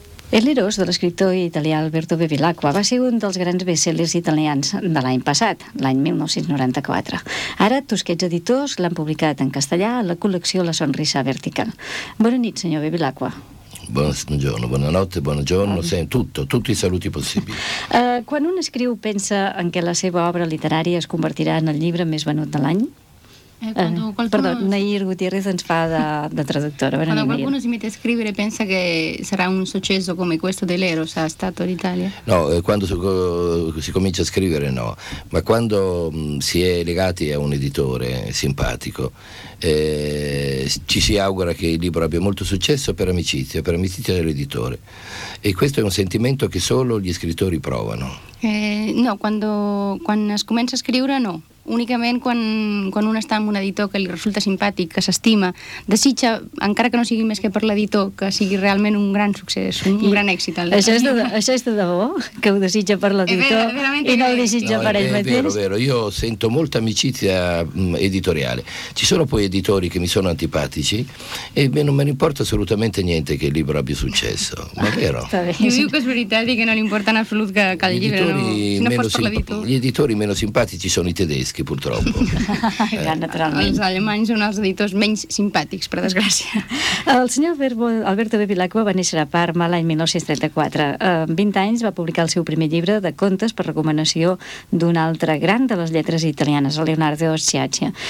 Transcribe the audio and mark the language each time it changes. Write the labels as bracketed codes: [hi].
[ca] El Eros, de l'escriptor italià Alberto Bevilacqua, va ser un dels grans bestsellers italians de l'any passat, l'any 1994. Ara, Tusquets Editors l'han publicat en castellà a la col·lecció La Sonrisa Vertical. Bona nit, senyor Bevilacqua. [it] Buongiorno, buonanotte, buongiorno, sì, tutti i saluti possibili. [ca] Quan un escriu, pensa en que la seva obra literària es convertirà en el llibre més venut de l'any? Perdó, Nair Gutiérrez ens fa de traductora. [it] Quan qualcuno si mette a scrivere pensa che sarà un successo come questo dell'Eros ha stato in Italia? No, quando si comincia a scrivere no, ma quando si è legati a un editore simpatico ci si augura che il libro abbia molto successo per amicizia dell'editore, e questo è un sentimento che solo gli scrittori provano. No, quando si comincia a scrivere no. [ca] Únicament quan un està amb un editor que li resulta simpàtic, que s'estima, desitja, encara que no sigui més que per l'editor, que sigui realment un gran succés, un gran èxit. Això és de debò, que ho desitja per l'editor i no ho desitja per ell mateix? [it] È vero, io sento molta amicizia editoriale. Ci sono poi editori che mi sono antipatici e non me ne importa assolutamente niente che il libro abbia successo, ma vero? [ca] Diu que és veritat i [it] che non importa in assoluto che il libro, [ca] no? [it] Gli editori meno simpatici sono i tedeschi. Que purtroppo. [ca] Ja, naturalment. Els alemanys són els editors menys simpàtics, per desgràcia. El senyor Alberto Bevilacqua va néixer a Parma l'any 1934. Amb 20 anys va publicar el seu primer llibre de contes per recomanació d'un altre gran de les lletres italianes, Leonardo Sciascia.